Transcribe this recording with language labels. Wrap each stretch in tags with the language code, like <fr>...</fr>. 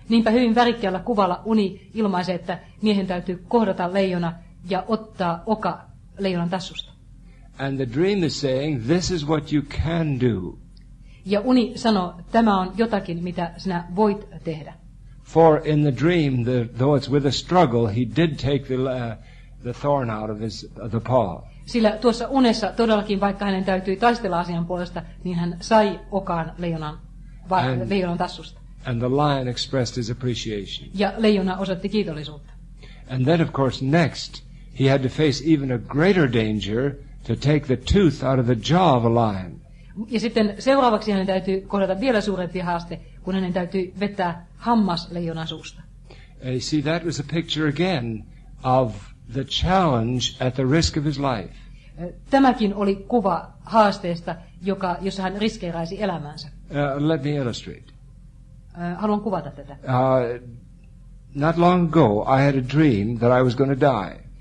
<fi>Niinpä hyvin värikkäällä kuvalla uni ilmaisee, että miehen täytyy kohdata leijona ja ottaa oka leijonan tassusta.</fi> <en>And the dream is saying this is what you can do.</en> <fi>Ja uni sanoo, tämä on jotakin, mitä sinä voit tehdä.</fi> <en>For in the dream, though it's with a struggle, he did take the thorn out of the paw.</en> <fi>Sillä tuossa unessa todellakin, vaikka hänen täytyi taistella asian puolesta, niin hän sai okaan leijonan tassusta.</fi> <en>And the lion expressed his appreciation.</en> <fi>Ja leijona osoitti kiitollisuutta.</fi> <en>And then, of course, next, he had to face even a greater danger to take the tooth out of the jaw of a lion.</en> <fi>Ja sitten seuraavaksi hänen täytyy kohdata vielä suurempi haaste, kun hänen täytyy vetää hammas leijonan suusta.</fi> <en>You see, that was a picture again of the challenge at the risk of his life.</en> <fi>Tämäkin oli kuva haasteesta, jossa hän riskeeraisi elämänsä.</fi> <en>Let me illustrate.</en> <fi>Haluan kuvata tätä.</fi> <en>Not long ago, I had a dream that I was going to die.</en>